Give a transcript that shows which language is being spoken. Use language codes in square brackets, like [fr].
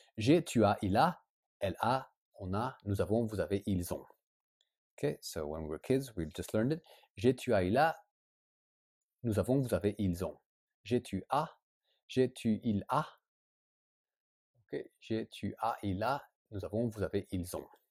[fr] J'ai, tu as, il a, elle a, on a, nous avons, vous avez, ils ont. [en] Okay, so when we were kids, we just learned it. [fr] J'ai, tu as, il a, nous avons, vous avez, ils ont. J'ai, tu, il a. Ok, j'ai, tu as, il a, nous avons, vous avez, ils ont.